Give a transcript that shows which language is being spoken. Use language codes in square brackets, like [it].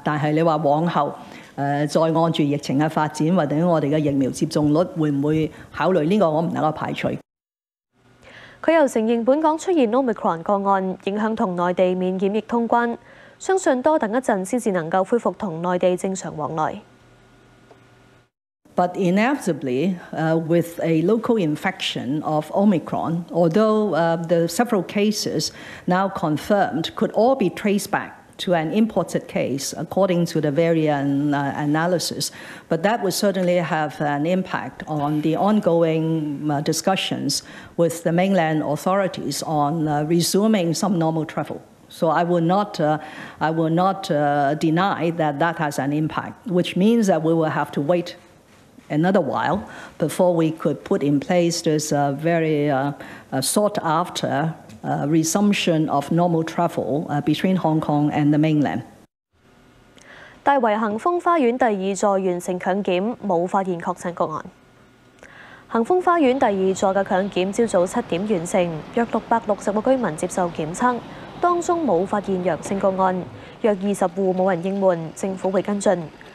[yue] 但係你話往後再按住疫情嘅發展，或者我哋嘅疫苗接種率會唔會考慮呢個，我唔能夠排除。他又承認本港出現 Omicron 個案，影響同內地免檢疫通關，相信多等一陣先至能夠恢復同內地正常往來。 [en] But inevitably, with a local infection of Omicron, although the several cases now confirmed could all be traced back to an imported case, according to the variant analysis, but that would certainly have an impact on the ongoing discussions with the mainland authorities on resuming some normal travel. So I will not deny that that has an impact, which means that we will have to waitanother while before we could put in place this very sought after resumption of normal travel between Hong Kong and the mainland. [yue] 大圍恆豐花園第二座完成強檢，冇發現確診個案。恆豐花園第二座嘅強檢朝早七點完成，約660個居民接受檢測，當中冇發現陽性個案，約20户冇人應門，政府會跟進。